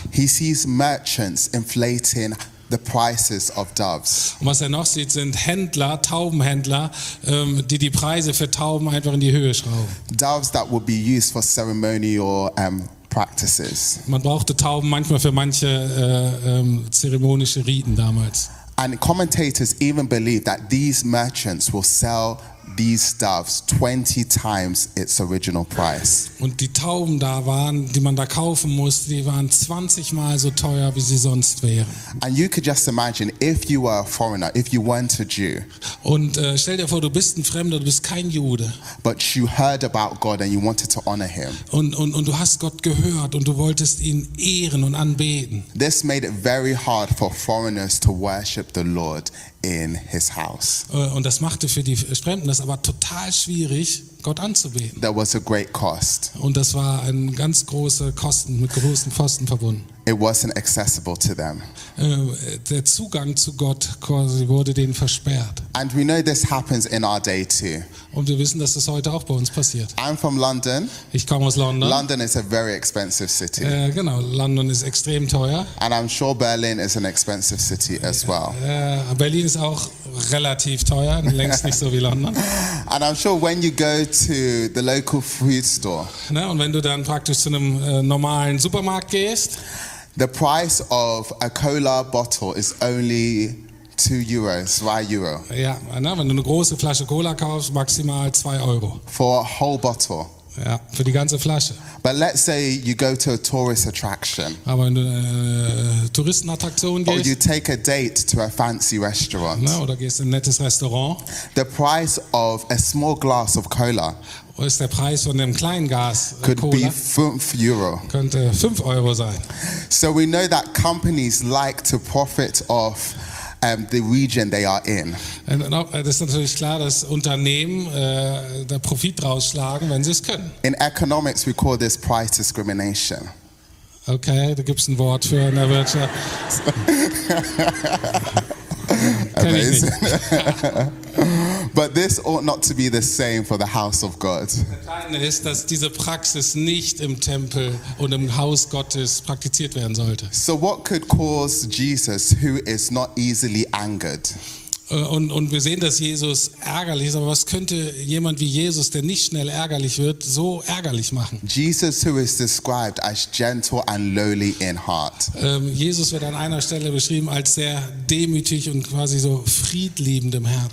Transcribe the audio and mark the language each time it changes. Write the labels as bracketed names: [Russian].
[English] He sees merchants inflating the prices of doves. [German] Und was er noch sieht, sind Händler, Taubenhändler, die Preise für Tauben einfach in die Höhe schrauben. [English] Doves that would be used for ceremonial practices. [German] Man brauchte Tauben manchmal für manche zeremonische Riten damals. [English] And commentators even believe that these merchants will sell these doves 20 times its original price. [German] Und die Tauben da waren, die man da kaufen musste, die waren 20 mal so teuer, wie sie sonst wären. [English] And you could just imagine if you were a foreigner, if you weren't a Jew. [German] Und stell dir vor, du bist ein Fremder, du bist kein Jude. [English] But you heard about God and you wanted to honor him. [German] Und du hast Gott gehört und du wolltest ihn ehren und anbeten. [English] This made it very hard for foreigners to worship the Lord in his house. [German] Und das machte für die Fremden das aber total schwierig, Gott anzubeten. [English] That was a great cost. [German] Und das war ein ganz große Kosten, mit großen Kosten verbunden. [English] It wasn't accessible to them. [German] Der Zugang zu Gott quasi wurde denen versperrt. [English] And we know this happens in our day too. [German] Und wir wissen, dass das heute auch bei uns passiert. [English] I'm from London. [German] Ich komme aus London. [English] London is a very expensive city. [German] Genau, London ist extrem teuer. [English] And I'm sure Berlin is an expensive city as well. [German] Berlin ist auch relativ teuer, längst nicht so wie London. [English] And I'm sure when you go to the local food store. [German] Na, und wenn du dann praktisch zu einem normalen Supermarkt gehst, [English] the price of a cola bottle is only 2 euro, 2 euro. [German] Ja, na, wenn du eine große Flasche Cola kaufst, maximal 2 Euro. [English] For a whole bottle. [German] Ja, für die ganze Flasche. [English] But let's say you go to a tourist attraction. [German] Aber wenn du Touristenattraktion gehst. [English] Or you take a date to a fancy restaurant. [German] Na, oder gehst in ein nettes Restaurant. [English] The price of a small glass of cola. [German] Ist der Preis von dem kleinen Glas [English] could [German] Cola, [English] be 5 euro. [German] Könnte 5 Euro sein. [English] So we know that companies like to profit off the region they are in. [German] Das ist natürlich klar, dass Unternehmen da Profit rausschlagen, wenn sie es können. [English] In economics we call this price discrimination. [German] Okay, da gibt's ein Wort für in der Wirtschaft. [English] Amazing. But this ought not to be the same for the house of God. [German] Ist, dass diese Praxis nicht im Tempel und im Haus Gottes praktiziert werden sollte. [English] So what could cause Jesus, who is not easily angered? [German] Und wir sehen, dass Jesus ärgerlich ist, aber was könnte jemand wie Jesus, der nicht schnell ärgerlich wird, so ärgerlich machen? [English] Jesus, who is described as gentle and lowly in heart. [German] Jesus wird an einer Stelle beschrieben als sehr demütig und quasi so friedliebend im Herzen.